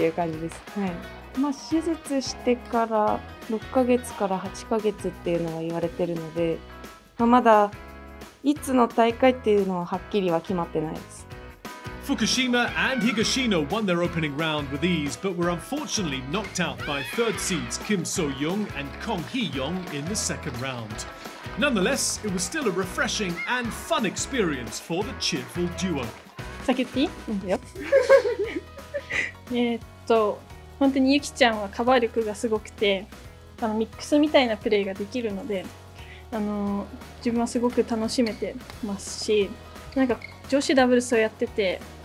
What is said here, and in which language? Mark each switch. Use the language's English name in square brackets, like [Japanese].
[Japanese] まあ、ヒロト選手の怪我もあって、自分も女子ダブルスで経験したかったですし、こう、福島選手と組めることなんて、もう絶対ないことですし、これを機に組みたいと思って、組ませていただきました。今のところは、とりあえずフランスまでやって、インドネシアはちょっと出れなかったので、こういうペアでは出れなかったので、チャンスがあれば組んでほしいなって思いますけど、チャンスがあればっていう感じです。はい。まあ、手術してから 6ヶ月から8ヶ月っていうのは言われてるので、いつの大会っていうのははっきりは決まってないです。 [English] Fukushima and Higashino won their opening round with ease, but were unfortunately knocked out by third seeds Kim So-young and Kong Hee-young in the second round. Nonetheless, it was still a refreshing and fun experience for the cheerful duo. [Japanese] さっき言っていい？いいよ。本当にゆきちゃんはカバー力がすごくて、ミックスみたいなプレーができるので、自分はすごく楽しめてますし、なんか女子ダブルスをやってて、